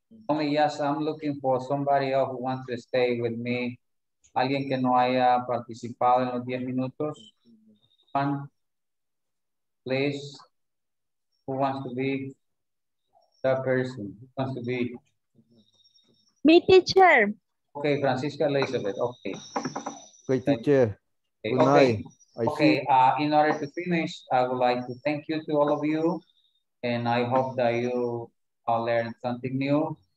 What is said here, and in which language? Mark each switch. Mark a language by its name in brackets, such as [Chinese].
[English] Only yes, I'm looking for somebody else who wants to stay with me. [Spanish] Alguien que no haya participado en los 10 minutos. [English] Juan, please, who wants to be that person? Who wants to be? Me, teacher. Okay, Francisca Elizabeth, okay. Great teacher. Okay. Okay, in order to finish, I would like to thank you to all of you, and I hope that you all learned something new.